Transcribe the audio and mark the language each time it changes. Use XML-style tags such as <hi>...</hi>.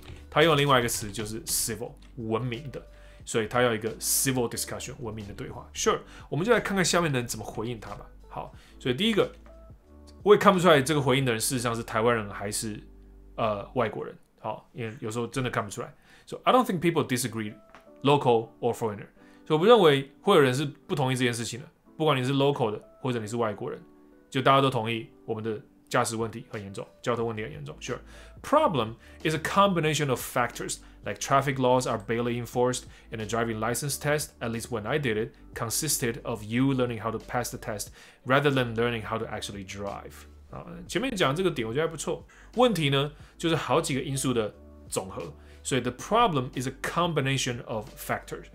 <zh>他用另外一个词就是 civil， 文明的。所以他要一个 civil discussion， 文明的对话。 Sure， 我们就来看看下面的人怎么回应他吧。好，所以第一个，我也看不出来这个回应的人事实上是台湾人还是外国人。好，因为有时候真的看不出来。</zh> <en>So I don't think people disagree, local or foreigner。</en> <zh>所以我不认为会有人是不同意这件事情的，不管你是 local 的或者你是外国人，就大家都同意我们的驾驶问题很严重，交通问题很严重。</zh> <en>Sure， problem is a combination of factors。 Like traffic laws are barely enforced, and a driving license test, at least when I did it, consisted of you learning how to pass the test rather than learning how to actually drive.</en> <zh>好，前面讲这个点我觉得还不错。问题呢，就是好几个因素的总和。</zh> <en>所以 the problem is a combination of factors.</en>